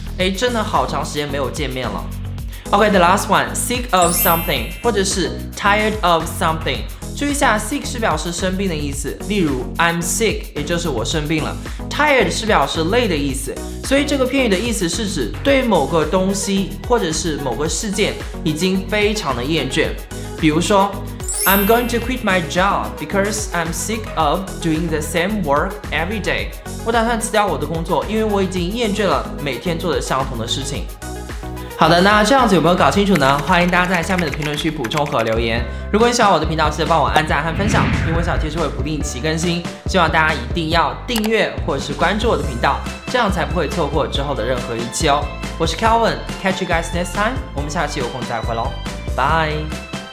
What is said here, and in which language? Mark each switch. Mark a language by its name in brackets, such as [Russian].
[Chinese] 哎，真的好长时间没有见面了。 [English] OK, the last one, sick of something [Chinese] 或者是 [English] tired of something. [Chinese] 注意一下 sick 是表示生病的意思，例如 [English] I'm sick, [Chinese] 也就是我生病了。 tired 是表示累的意思，所以这个片语的意思是指对某个东西或者是某个事件已经非常的厌倦。比如说 [English] I'm going to quit my job because I'm sick of doing the same work every day. [Chinese] 我打算辞掉我的工作，因为我已经厌倦了每天做的相同的事情。好的，那这样子有没有搞清楚呢？欢迎大家在下面的评论区补充和留言。如果你喜欢我的频道，记得帮我按赞和分享，因为我小贴士会不定期更新，希望大家一定要订阅或是关注我的频道，这样才不会错过之后的任何一期哦。我是 Kelvin, [English] catch you guys next time, [Chinese] 我们下期有空再会咯。 [English] Bye!